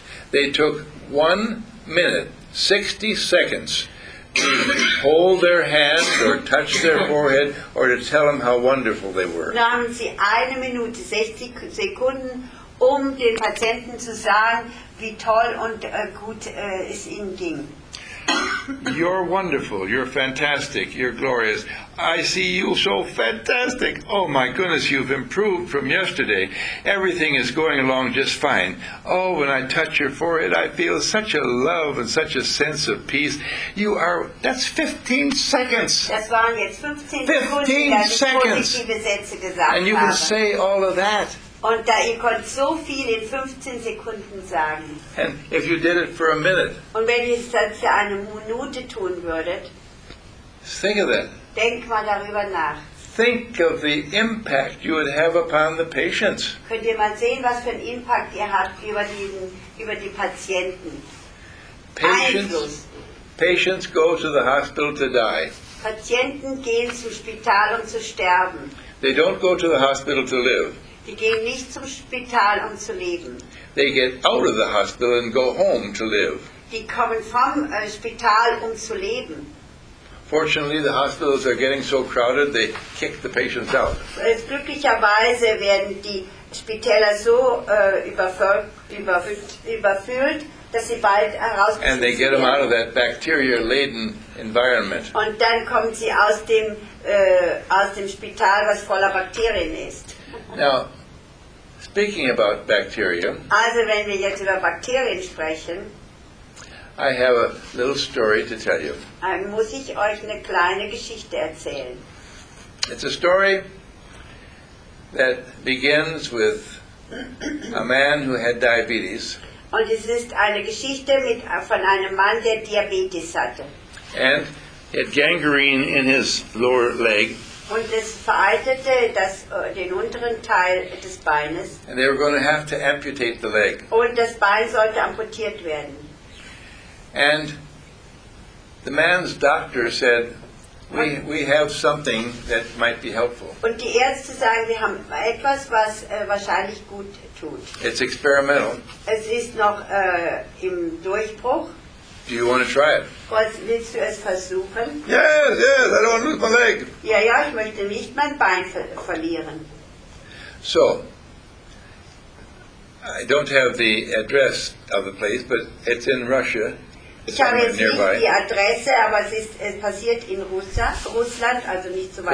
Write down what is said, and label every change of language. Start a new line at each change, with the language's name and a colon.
English: They took 1 minute, 60 seconds, to hold their hand or touch their forehead or to tell them how wonderful they were.
German: Nahmen sie 1 minute, 60 Sekunden, um den Patienten zu sagen, wie toll und gut es ihnen ging.
English: You're wonderful, you're fantastic, you're glorious. I see you so fantastic. Oh my goodness, you've improved from yesterday. Everything is going along just fine. Oh, when I touch your forehead, I feel such a love and such a sense of peace. You are, that's 15 seconds.
German: Das waren jetzt 15 Sekunden. Positive Sätze gesagt.
English: And you can say all of that.
German: Und da ihr könnt so viel in 15 Sekunden sagen.
English: And if you did it for a minute.
German: Und wenn ihr es dann für eine Minute tun würdet.
English: Think of that.
German: Denk mal darüber nach.
English: Think of the impact you would have upon the patients.
German: Könnt ihr mal sehen, was für einen Impact ihr habt über die Patienten.
English: Patients go to the hospital to die.
German: Patienten gehen zum Spital, um zu sterben.
English: They don't go to the hospital to live.
German: Die gehen nicht zum Spital, um zu leben.
English: They get out of the hospital and go home to live.
German: Die kommen vom Spital, um zu leben.
English: Fortunately, the hospitals are getting so crowded, they kick the patients out.
German: Glücklicherweise werden die Spitäler so überfüllt, dass sie bald herausgeschmissen werden.
English: And they get them out of that bacteria-laden environment.
German: Und dann kommen sie aus dem Spital, was voller Bakterien ist.
English: Now, speaking about bacteria.
German: Also, wenn wir jetzt über Bakterien sprechen.
English: I have a little story to tell you.
German: Muss ich euch eine kleine Geschichte erzählen.
English: It's a story that begins with a man who had diabetes.
German: Und es ist eine Geschichte mit, von einem Mann, der Diabetes hatte.
English: And he had gangrene in his lower leg.
German: Und es vereitelte das, den unteren Teil des Beines.
English: And they were going to have to amputate the leg.
German: Und das Bein sollte amputiert werden.
English: And the man's doctor said, we have something that might be helpful.
German: Und die Ärzte sagen, wir haben etwas, was wahrscheinlich gut tut.
English: It's experimental.
German: Es ist noch im Durchbruch.
English: Do you want to try it?
German: Willst du es versuchen?
English: Yes, yes, I don't want to lose my leg.
German: Ja, ja, ich möchte nicht mein Bein verlieren.
English: So, I don't have the address of the place, but it's in Russia.
German: Ich habe jetzt nicht die Adresse, aber es ist es passiert in Russland, also nicht so weit.